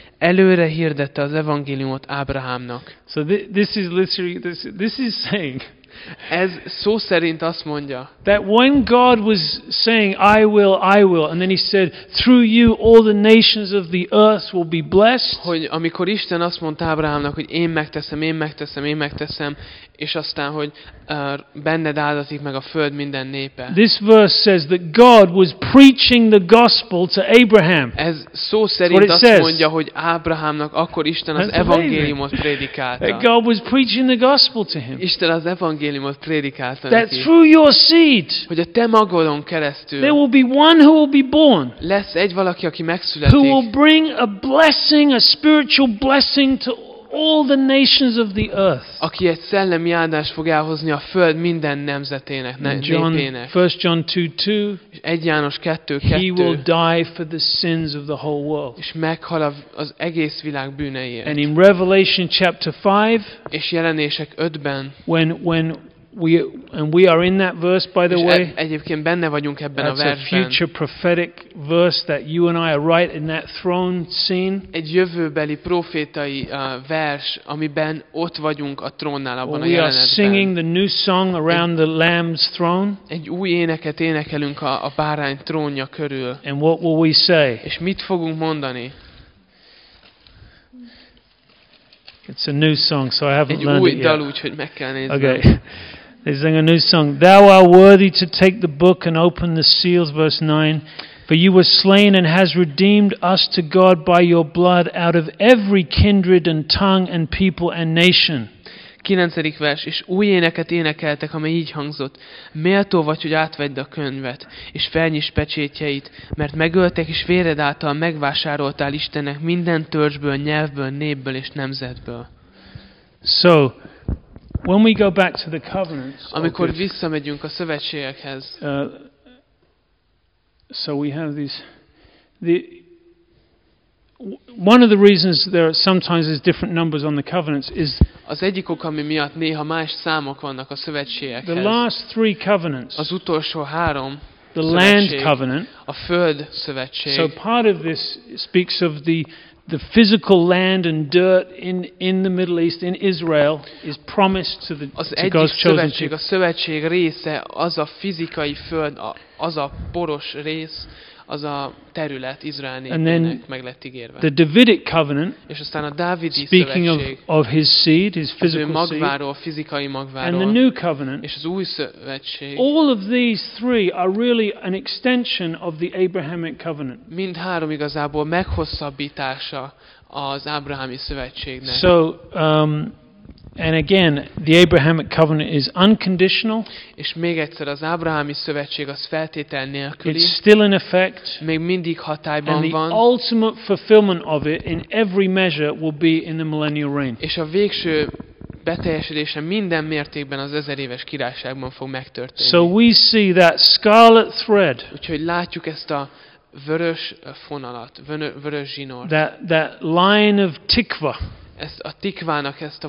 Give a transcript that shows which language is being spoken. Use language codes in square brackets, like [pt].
[hu] Előre hirdette az evangéliumot Ábrahámnak. [en] So this is literally this is saying. [hu] Ez szó szerint azt mondja. [en] That when God was saying I will and then he said through you all the nations of the earth will be blessed. [hu] Hogy amikor Isten azt mondta Ábrahámnak, hogy én megteszem, és aztán hogy benned áldatik meg a föld minden népe. [en] This verse says that God was preaching the gospel to Abraham. [hu] Ez szó szerint azt mondja, hogy Ábrahámnak akkor Isten az evangéliumot prédikálta. [en] God was preaching the gospel to him. [hu] Isten az evangéliumot prédikálta [en] neki. That through your seed. [hu] Hogy a te magodon keresztül. [en] There will be one who will be born. [hu] Lesz egy valaki, aki megszületik. [en] Who will bring a blessing, a spiritual blessing to all the nations of the earth. [hu] Aki egy szellemi áldást fog elhozni a föld minden nemzetének, népének. [en] 1 John 2:2. [hu] Egy János 2:2. [en] He will die for the sins of the whole world. [hu] És meghal az egész világ bűneiért. [en] And in Revelation chapter 5. [hu] És Jelenések 5-ben. [en] We are in that verse, by the way. [hu] Egyébként benne vagyunk ebben a versben. [en] That's a future prophetic verse that you and I are right in that throne scene. [hu] Egy jövőbeli profétai vers, amiben ott vagyunk a trónnál, abban a [en] jelenetben. We are singing the new song around the Lamb's throne. [hu] Egy új éneket énekelünk a bárány trónja körül. [en] And what will we say? [hu] És mit fogunk mondani? [en] It's a new song, so I haven't learned it yet. [hu] Dal, úgyhogy meg kell [en] néznem. Okay. They sing a new song. Thou art worthy to take the book and open the seals, verse 9. For you were slain and has redeemed us to God by your blood out of every kindred and tongue and people and nation. [hu] 9. vers, és új éneket énekeltek, amely így hangzott. Méltó vagy, hogy átvedd a könyvet, és felnyisd pecsétjeit, mert megöltek, és véred által megvásároltál Istennek minden törzsből, nyelvből, népből és nemzetből. [en] So, when we go back to the covenants, [hu] amikor visszamegyünk a szövetségekhez, [en] so we have these... One of the reasons there are sometimes is different numbers on the covenants is [hu] az egyik ok, ami miatt néha más számok vannak a szövetségekhez. [en] The last three covenants, [hu] az utolsó három, [en] the land covenant, [hu] a föld szövetség. [en] So part of this speaks of the physical land and dirt in the Middle East in Israel is promised to the [hu] az egyik [en] God's [hu] szövetség, [en] chosen. [hu] A szövetség része az a fizikai föld, az a poros rész. Az a terület Izrael népének meg lett ígérve. [en] The Davidic covenant, [hu] és aztán a Dávidi szövetség, [en] speaking of his seed, his physical [hu] seed, magváról, fizikai magváról, [en] and the new covenant, [hu] és az új szövetség. [en] All of these three are really an extension of the Abrahamic covenant. [hu] Mind három igazából meghosszabbítása az ábrahámi szövetségnek. [en] So, and again, the Abrahamic covenant is unconditional. [hu] És még egyszer, az ábrahámi szövetség az feltétel nélküli. [en] It's still in effect. [hu] Még mindig hatályban van. [en] the ultimate fulfillment of it in every measure will be in the millennial reign. [hu] És a végső beteljesedése minden mértékben az ezer éves királyságban fog megtörténni. [en] So we see that scarlet thread. [hu] Úgyhogy látjuk ezt a vörös fonalat, vörös zsinort. [en] That line of tikva. [hu] Ezt a tikvának ezt a